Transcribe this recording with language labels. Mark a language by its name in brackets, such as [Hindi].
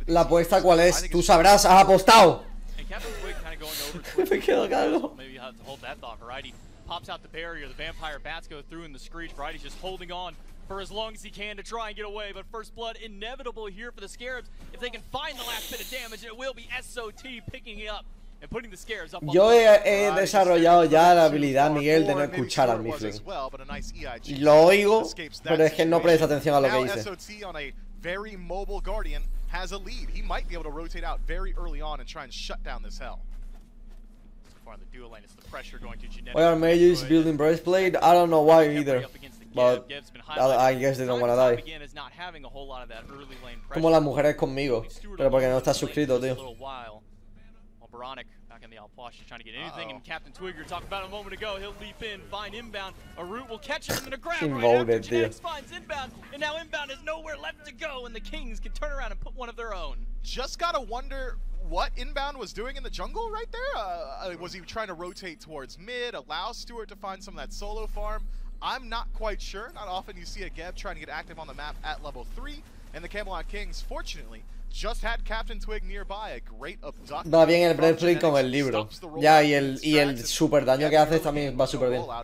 [Spanish] La apuesta cuál es, tú sabrás, has apostado. Me quedo calvo. [English] Maybe you have to hold that thought. Variety pops out the barrier, the vampire bats go through, and the Screech Bright is just holding on for as long as he can to try and get away. But first blood inevitable here for the Scarabs. If they can find the last bit of damage, it will be SOT picking it up and putting the Scarabs up. [Spanish] Yo he desarrollado ya la habilidad, Miguel, de no escuchar al Mifflin. Lo oigo, pero es que no prestes atención a lo que dice. [English] SOT on a very mobile guardian has a lead. He might be able to rotate out very early on and try and shut down this hell. On the dual lane, it's the pressure going to genetic. Why are mages building breastplate? I don't know why either, but I guess they don't want to die. [Spanish] Como las mujeres conmigo, pero porque no estás suscrito, tío. [English] Baronic back in the Alposh, trying to get anything. Uh-oh. And Captain Twigger talked about a moment ago. He'll leap in, find inbound. A root will catch him in a grab. Involved, right after Jax finds inbound, and now inbound is nowhere left to go, and the Kings can turn around and put one of their own. Just gotta wonder what inbound was doing in the jungle right there. Was he trying to rotate towards mid, allow Stuart to find some of that solo farm? I'm not quite sure. Not often you see a Geb trying to get active on the map at level 3, and the Camelot Kings, fortunately, just had Captain Twig nearby, a great abduct. [Spanish] Va bien el breastplate con el libro. Ya, y el super daño que haces también va super bien.